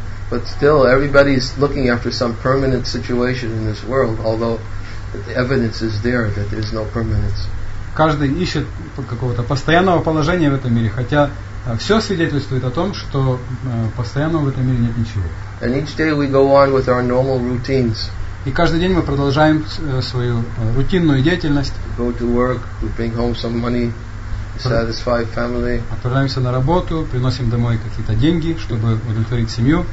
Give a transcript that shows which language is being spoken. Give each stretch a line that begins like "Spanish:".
English: But still, everybody is looking after some permanent situation in this world. Although the evidence is there that there is no permanence.
Russian: Каждый ищет какого-то постоянного положения в этом мире, хотя все свидетельствует о том, что постоянного в этом мире нет ничего.
English: And each day we go on with our normal routines.
Russian: И каждый день мы продолжаем свою рутинную деятельность.
English: Go to work, we bring home some money, satisfy family.
Russian: Отправляемся на работу, приносим домой какие-то деньги, чтобы удовлетворить семью.